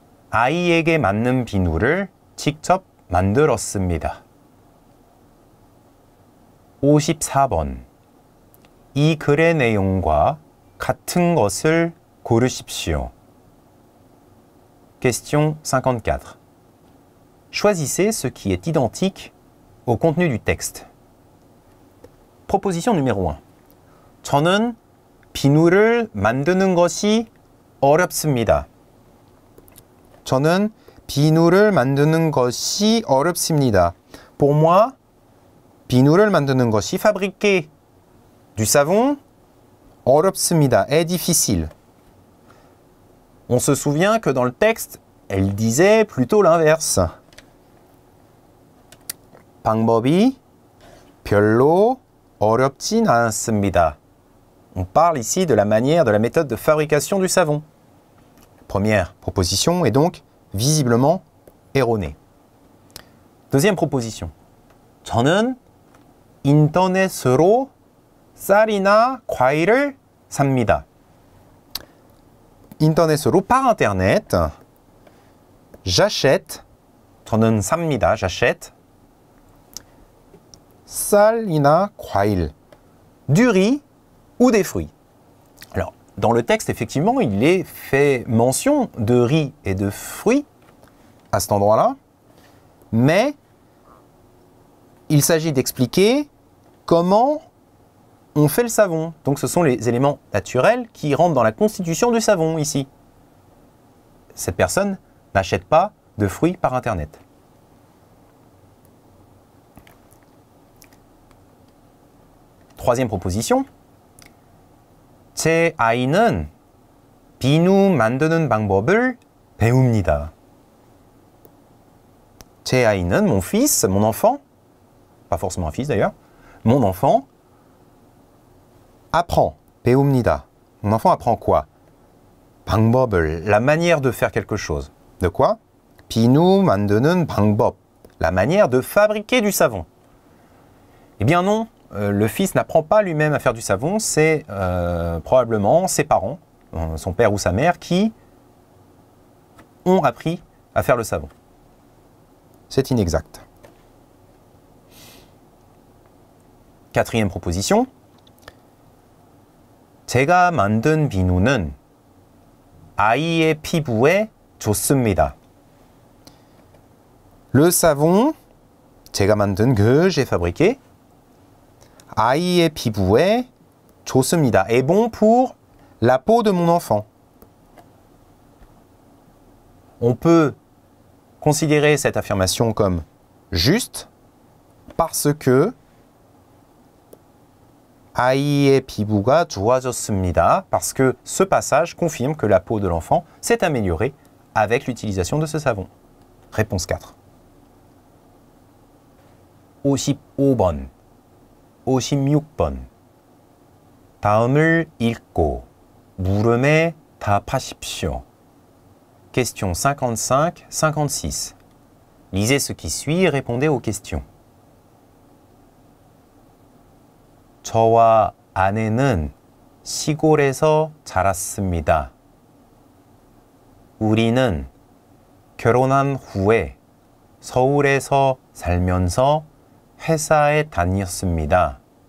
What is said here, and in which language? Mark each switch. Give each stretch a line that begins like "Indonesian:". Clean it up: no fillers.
Korean: 아이에게 맞는 비누를 직접 만들었습니다. 54번. 이 글의 내용과 같은 것을 고르십시오.
French: Question 54. Choisissez ce qui est identique au contenu du texte. Proposition numéro 1.
Korean: 저는 비누를 만드는 것이 어렵습니다. 저는 비누를 만드는 것이 어렵습니다.
French: Pour moi,
Korean: 비누를 만드는 것이
French: fabriquer du savon
Korean: 어렵습니다.
French: Est difficile. On se souvient que dans le texte, elle disait plutôt l'inverse.
Korean: 방법이 별로 어렵진 않습니다.
French: On parle ici de la manière, de la méthode de fabrication du savon. Première proposition est donc visiblement erronée. Deuxième proposition.
Korean: 저는 인터넷으로 쌀이나 과일을 삽니다. 인터넷으로,
French: par internet, j'achète,
Korean: 저는 삽니다,
French: j'achète,
Korean: 쌀이나 과일,
French: du riz ou des fruits. Alors, dans le texte, effectivement, il est fait mention de riz et de fruits à cet endroit-là, mais il s'agit d'expliquer comment on fait le savon. Donc, ce sont les éléments naturels qui rentrent dans la constitution du savon, ici. Cette personne n'achète pas de fruits par Internet. Troisième proposition.
Korean: 제 아이는 비누 만드는 방법을 배웁니다. 제 아이는,
French: mon fils, mon enfant, pas forcément un fils d'ailleurs, mon enfant apprend,
Korean: 배웁니다.
French: Mon enfant apprend quoi?
Korean: 방법을,
French: la manière de faire quelque chose. De quoi?
Korean: 비누 만드는 방법,
French: la manière de fabriquer du savon. Eh bien non, le fils n'apprend pas lui-même à faire du savon, c'est probablement ses parents, son père ou sa mère, qui ont appris à faire le savon. C'est inexact. Quatrième proposition.
Korean: 제가 만든 비누는 아이의 피부에 좋습니다.
French: Le savon
Korean: 제가 만든
French: que j'ai fabriqué
Korean: 아이의 피부에 좋습니다.
French: Est bon pour la peau de mon enfant. On peut considérer cette affirmation comme juste parce que
Korean: 아이의 피부가 좋아졌습니다.
French: Parce que ce passage confirme que la peau de l'enfant s'est améliorée avec l'utilisation de ce savon. Réponse 4.
Korean: 55번, 56번. 다음을 읽고 물음에 답하십시오.
French: Question 55, 56. Lisez ce qui suit et répondez aux questions.
Korean: 저와 아내는 시골에서 자랐습니다. 우리는 결혼한 후에 서울에서 살면서 회사에 다녔습니다.